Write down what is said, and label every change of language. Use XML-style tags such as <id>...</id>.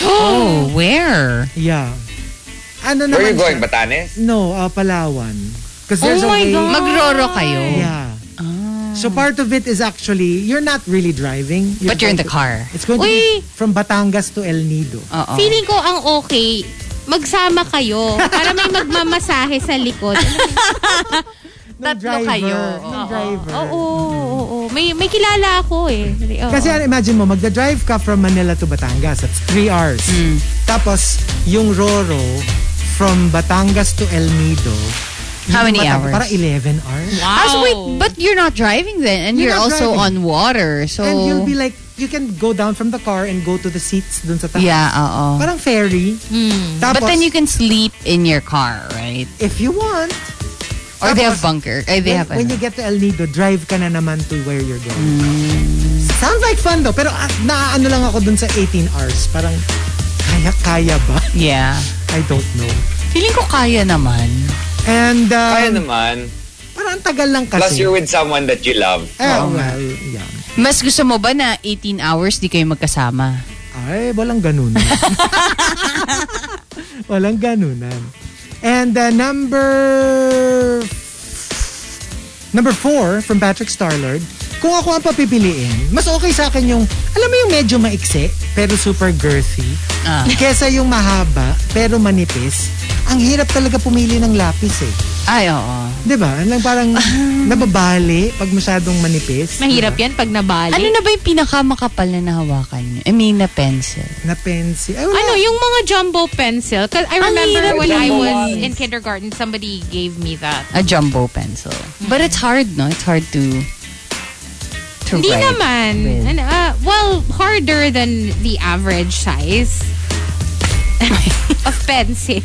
<en>Oh, where? Yeah. Where are you going, Batanes? No, Palawan. Because there's</en> <tl>Magroro kayo.</tl> <en>Yeah. Oh. So part of it is actually, you're not really driving. But you're in the car. It's going to be from Batangas to El Nido. Uh-oh.</en> <tl>Feeling ko ang okay, magsama kayo para may magmamasahe sa likod. tatlo kayo. Nung driver. Oo. May kilala ako eh. Kasi imagine mo, magda-drive ka</tl> <en>from Manila to Batangas. That's 3 hours. Mm.</en> <tl>Tapos, yung Roro from Batangas to El Nido.</tl> <en>How many hours?</en> <tl>Para 11 hours.</tl> <en>Wow. Also, wait, but you're not driving then. And you're also driving on water. So. And you'll be like, you can go down from the car and go to the seats dun sa taas. Yeah, uh-oh.</en> <tl>Parang ferry. Hmm.</tl> <en>Tapos, but then you can sleep in your car, right? If you want. Or tapos, they have bunker. They when have, when you get to El Nido,</en> <tl>drive ka na naman</tl> <en>to where you're going.</en> <tl>Hmm.</tl> <en>Sounds like fun though.</en> <tl>Pero naaano lang ako dun sa 18 hours. Parang kaya-kaya ba?</tl> <en>Yeah. I don't know.</en> <tl>Feeling ko kaya naman.</tl> <en>And</en> <tl>kaya naman. Parang tagal lang kasi.</tl> <en>Plus you're with someone that you love. Well, yeah.</en> <tl>Mas gusto mo ba na 18 hours di kayo magkasama? Ay, walang ganunan. Walang ganunan.</tl> <en>And number 4 from Patrick Starlord,</en> <tl>kung ako ang papipiliin, mas okay sa akin yung, alam mo yung medyo maikse, pero super girthy, kesa yung mahaba, pero manipis, ang hirap talaga pumili ng lapis eh. Ay, oo. Diba? Anong parang nababali pag masyadong manipis. Mahirap diba? Yan pag nabali. Ano na ba yung pinakamakapal na nahawakan nyo?</tl> <en>I mean, na pencil.</en> <tl>Ay, wala. Ano, yung mga jumbo pencil.</tl> <en>Cause I remember when I was in kindergarten, somebody gave me that. A jumbo pencil. Mm-hmm. But it's hard, no? It's hard to</en> <tl>hindi naman.</tl> <en>And, well, harder than the average size of pencil.</en>